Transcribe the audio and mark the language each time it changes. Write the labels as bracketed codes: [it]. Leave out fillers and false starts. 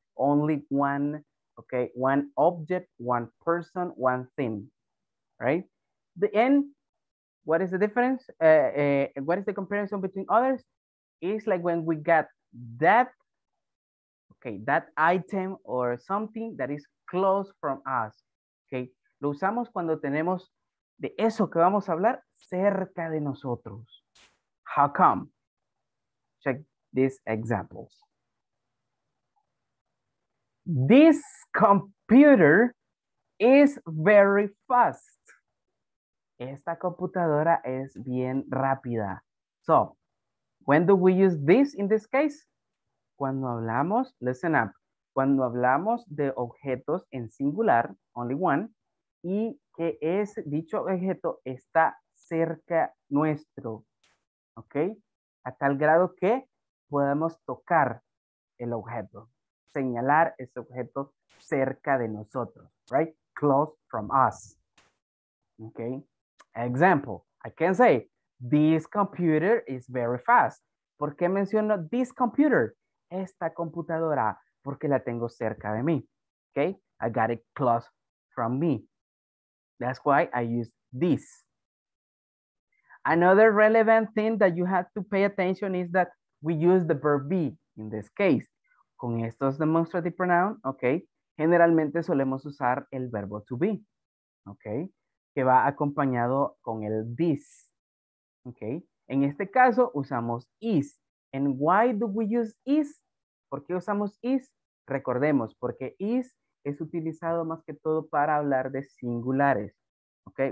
[en] Only one, okay, one object, one person, one thing, right? The end, what is the difference? What is the comparison between others? It's like when we got that, okay, that item or something that is close from us, okay? [es] Lo usamos cuando tenemos de eso que vamos a hablar cerca de nosotros. [en] How come? Check these examples. This computer is very fast. [es] Esta computadora es bien rápida. [en] So, when do we use this in this case? [es] Cuando hablamos, [en] listen up. [es] Cuando hablamos de objetos en singular, [en] only one, [es] y que es dicho objeto está cerca nuestro, ¿ok? A tal grado que podemos tocar el objeto, señalar ese objeto cerca de nosotros, right? [en] Close from us, ¿ok? Example, I can say, this computer is very fast. [es] ¿Por qué menciono this computer? Esta computadora, porque la tengo cerca de mí, ¿ok? [en] I got it close from me. That's why I use this. Another relevant thing that you have to pay attention is that we use the verb be in this case. [es] Con estos demonstrative pronouns, ¿ok? Generalmente solemos usar el verbo to be, ¿ok? Que va acompañado con el this, ¿ok? En este caso usamos is. [en] And why do we use is? [es] ¿Por qué usamos is? Recordemos, porque is es utilizado más que todo para hablar de singulares, ¿ok?